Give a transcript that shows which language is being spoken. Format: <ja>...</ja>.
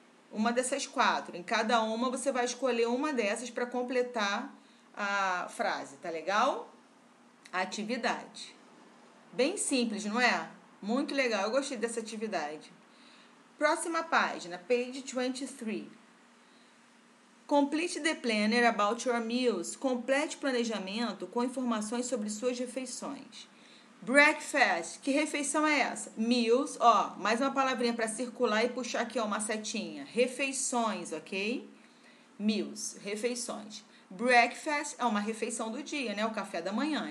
<pt>Uma dessas quatro. Em cada uma você vai escolher uma dessas para completar a frase, tá legal? A atividade. Bem simples, não é? Muito legal, eu gostei dessa atividade. Próxima página,</pt> <en>page 23. Complete the planner about your meals.</en> <pt>Complete o planejamento com informações sobre suas refeições. Breakfast. Que refeição é essa? Meals. Ó, mais uma palavrinha para circular e puxar aqui, ó, uma setinha. Refeições, ok? Meals. Refeições. Breakfast é uma refeição do dia, né? O café da manhã.</pt>